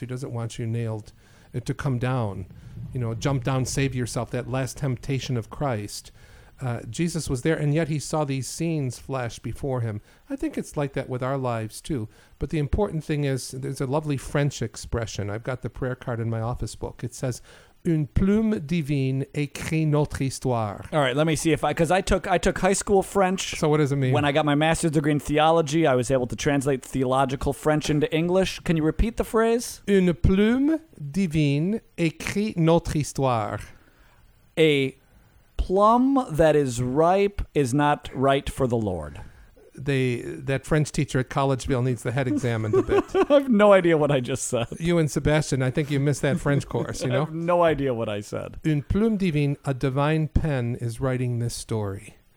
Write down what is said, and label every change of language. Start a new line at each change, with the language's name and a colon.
English: He doesn't want you nailed to come down, you know, jump down, save yourself, that last temptation of Christ. Jesus was there, and yet he saw these scenes flash before him. I think it's like that with our lives, too. But the important thing is, there's a lovely French expression. I've got the prayer card in my office book. It says,
French: une plume divine écrit notre histoire.
English: All right, let me see if I... Because I took high school French. So what does it mean? When I got my master's degree in theology, I was able to translate theological French into English. Can you repeat the phrase?
French: Une plume divine écrit notre histoire.
English: A plum that is ripe is not right for the Lord. That French teacher at Collegeville needs the head examined a bit. I have no idea what I just said. You and Sebastian, I think you missed that French course, you know? I have no idea what I said.
French: Une plume divine,
English: a divine pen, is writing this story.